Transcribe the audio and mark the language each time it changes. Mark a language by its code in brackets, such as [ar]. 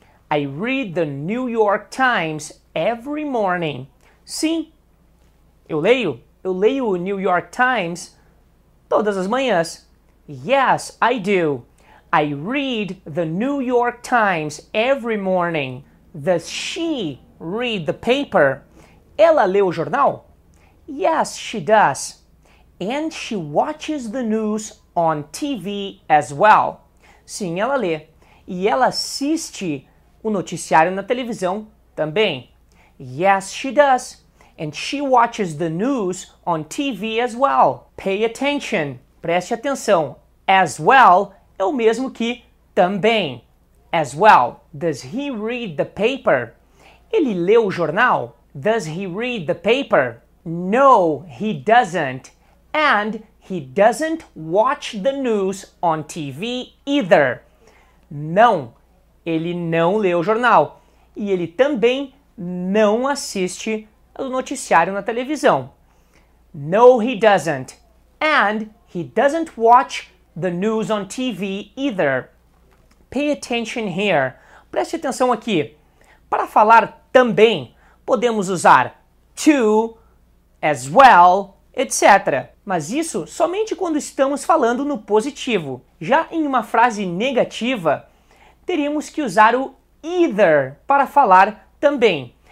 [en] I read the New York Times every morning. [pt] Sim. Eu leio o New York Times todas as manhãs. [en] Yes, I do. I read the New York Times every morning. Does she read the paper? [pt] Ela lê o jornal? [en] Yes, she does. And she watches the news on TV as well. [pt] Sim, ela lê. E ela assiste o noticiário na televisão também. [en] Yes, she does. And she watches the news on TV as well. Pay attention. [pt] Preste atenção. As well é o mesmo que também. As well. [en] Does he read the paper? [pt] Ele lê o jornal? [en] Does he read the paper? No, he doesn't. And he doesn't watch the news on TV either. [pt] Não, ele não lê o jornal. E ele também não assiste o noticiário na televisão. [en] No, he doesn't. And he doesn't watch the news on TV either. Pay attention here. [pt] Preste atenção aqui. Para falar também, podemos usar to, as well, etc. Mas isso somente quando estamos falando no positivo. Já em uma frase negativa, teríamos que usar o either para falar também.